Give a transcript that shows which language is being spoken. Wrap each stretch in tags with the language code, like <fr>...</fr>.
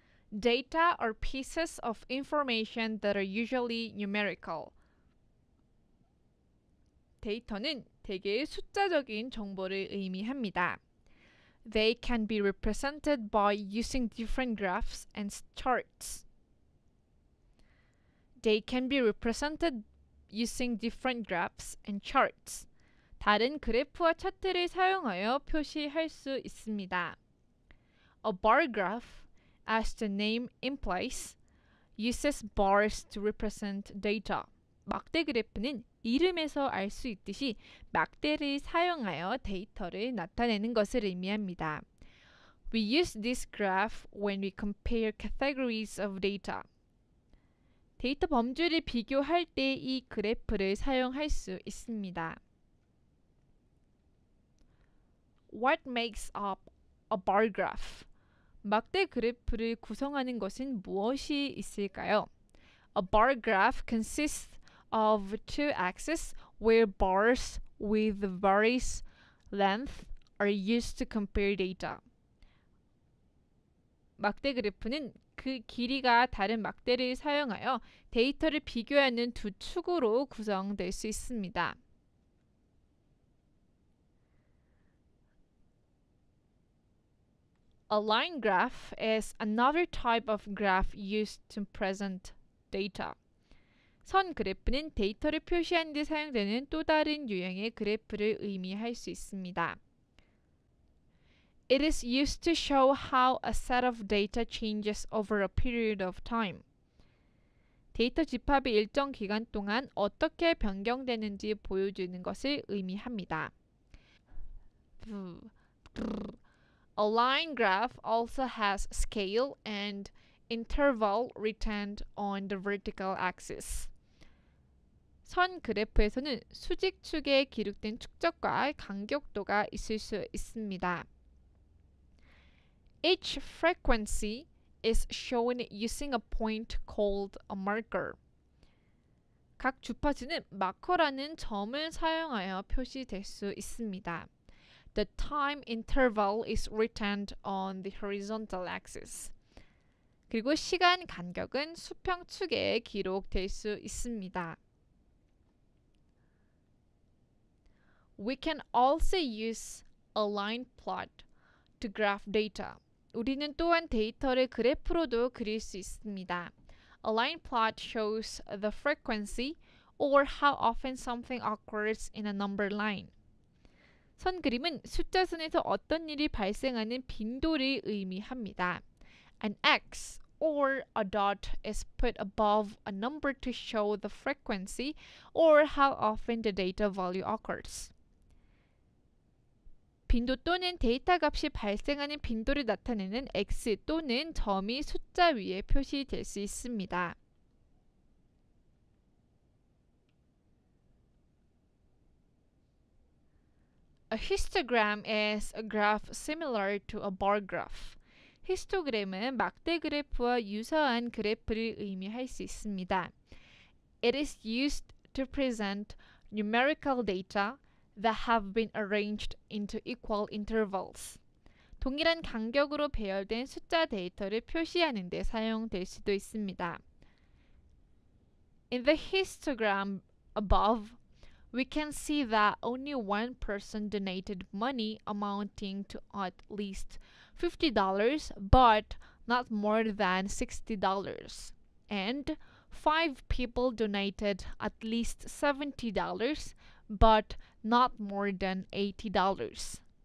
<en>Data are pieces of information that are usually numerical.</en> <ko>데이터는 대개 숫자적인 정보를 의미합니다.</ko> <en>They can be represented by using different graphs and charts. They can be represented using different graphs and charts.</en> <ko>다른 그래프와 차트를 사용하여 표시할 수 있습니다.</ko> <en>A bar graph, as the name implies, uses bars to represent data.</en> <ko>막대 그래프는 이름에서 알 수 있듯이 막대를 사용하여 데이터를 나타내는 것을 의미합니다.</ko> <en>We use this graph when we compare categories of data.</en> <ko>데이터 범주를 비교할 때 이 그래프를 사용할 수 있습니다.</ko> <en>What makes up a bar graph?</en> <ko>막대 그래프를 구성하는 것은 무엇이 있을까요?</ko> <en>A bar graph consists of two axes where bars with various length are used to compare data.</en> <ko>막대 그래프는 그 길이가 다른 막대를 사용하여 데이터를 비교하는 두 축으로 구성될 수 있습니다.</ko> <en>A line graph is another type of graph used to present data.</en> <ko>선 그래프는 데이터를 표시하는 데 사용되는 또 다른 유형의 그래프를 의미할 수 있습니다.</ko> <en>It is used to show how a set of data changes over a period of time.</en> <ko>데이터 집합이 일정 기간 동안 어떻게 변경되는지 보여주는 것을 의미합니다.</ko> <en>A line graph also has scale and interval written on the vertical axis.</en> <ko>선 그래프에서는 수직축에 기록된 축적과 간격도가 있을 수 있습니다.</ko> <en>Each frequency is shown using a point called a marker.</en> <ko>각 주파수는 마커라는 점을 사용하여 표시될 수 있습니다.</ko> <en>The time interval is written on the horizontal axis.</en> <ko>그리고 시간 간격은 수평축에 기록될 수 있습니다.</ko> <en>We can also use a line plot to graph data.</en> <ko>우리는 또한 데이터를 그래프로도 그릴 수 있습니다.</ko> <en>A line plot shows the frequency or how often something occurs in a number line.</en> <ko>선 그림은 숫자선에서 어떤 일이 발생하는 빈도를 의미합니다.</ko> <en>An X or a dot is put above a number to show the frequency or how often the data value occurs.</en> <ko>빈도 또는 데이터 값이 발생하는 빈도를 나타내는 X 또는 점이 숫자 위에 표시될 수 있습니다.</ko> <en>A histogram is a graph similar to a bar graph.</en> <ko>히스토그램은 막대 그래프와 유사한 그래프를 의미할 수 있습니다.</ko> <en>It is used to present numerical data that have been arranged into equal intervals.</en> <ko>동일한 간격으로 배열된 숫자 데이터를 표시하는 데 사용될 수도 있습니다.</ko> <en>In the histogram above, we can see that only one person donated money amounting to at least $50, but not more than $60. And five people donated at least $70, but not more than $80.</en>